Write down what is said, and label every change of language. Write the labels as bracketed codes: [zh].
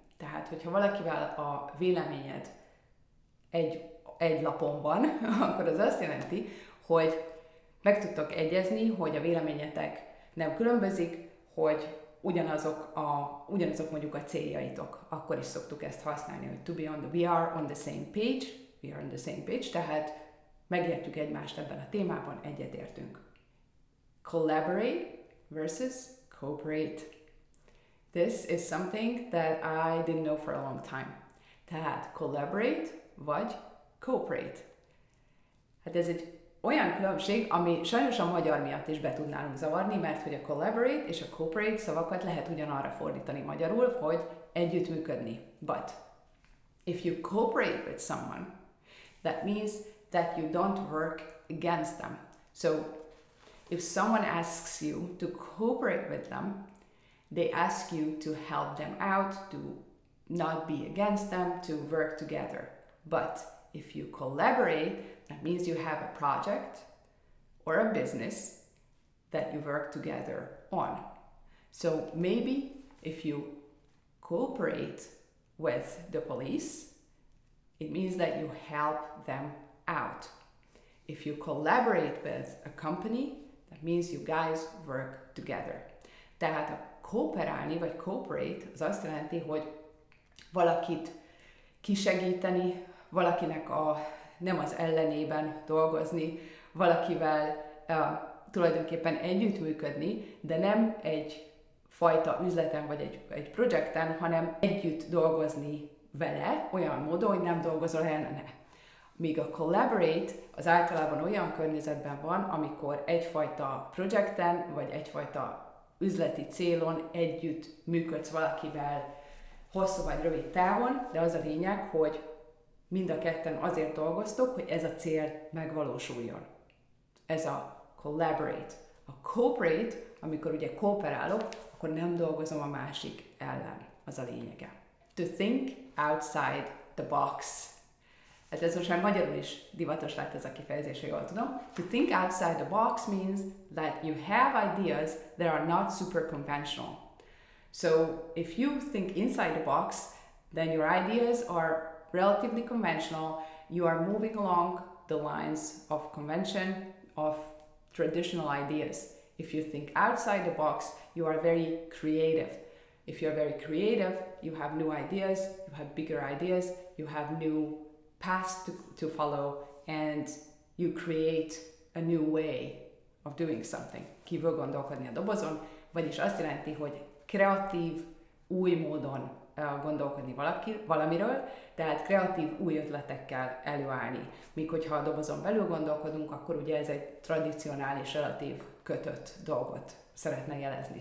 [hu] Tehát, hogyha valakivel a véleményed egy lapon van, akkor az azt jelenti, hogy meg tudtok egyezni, hogy a véleményetek nem különbözik, hogy ugyanazok mondjuk a céljaitok. Akkor is szoktuk ezt használni, hogy [en] to be on the, we are on the same page, [hu] we are on the same page, tehát megértjük egymást ebben a témában, egyetértünk. [en] Collaborate versus cooperate. This is something that I didn't know for a long time. [hu] Tehát collaborate vagy cooperate. Hát ez egy olyan különbség, ami sajnos a magyar miatt is be tudnálunk zavarni, mert hogy a collaborate és a cooperate szavakat lehet ugyanarra fordítani magyarul, hogy együttműködni. [en] But if you cooperate with someone, that means that you don't work against them. So if someone asks you to cooperate with them, they ask you to help them out, to not be against them, to work together. But if you collaborate, that means you have a project or a business that you work together on. So maybe if you cooperate with the police, it means that you help them out. If you collaborate with a company, that means you guys work together. [hu] Tehát a kooperálni vagy cooperate az azt jelenti, hogy valakit kisegíteni, valakinek a nem az ellenében dolgozni, valakivel tulajdonképpen együttműködni, de nem egy fajta üzleten vagy egy projekten, hanem együtt dolgozni vele olyan módon, hogy nem dolgozol ellene. Míg a collaborate az általában olyan környezetben van, amikor egyfajta projekten vagy egyfajta üzleti célon együtt működsz valakivel hosszú vagy rövid távon, de az a lényeg, hogy mind a ketten azért dolgoztok, hogy ez a cél megvalósuljon. Ez a collaborate. A cooperate, amikor ugye kooperálok, akkor nem dolgozom a másik ellen. Az a lényege. [en] To think outside the box. [hu] Hát ez most már magyarul is divatos lett ez a kifejezés, jól tudom. [en] To think outside the box means that you have ideas that are not super conventional. So if you think inside the box, then your ideas are relatively conventional. You are moving along the lines of convention, of traditional ideas. If you think outside the box, you are very creative. If you are very creative, you have new ideas, you have bigger ideas, you have new paths to follow, and you create a new way of doing something. [hu] Kívül gondolkodni a dobozon, vagyis azt jelenti, hogy kreatív, új módon gondolkodni valamiről, tehát kreatív új ötletekkel előállni. Míg hogyha a dobozon belül gondolkodunk, akkor ugye ez egy tradicionális, relatív kötött dolgot szeretne jelezni.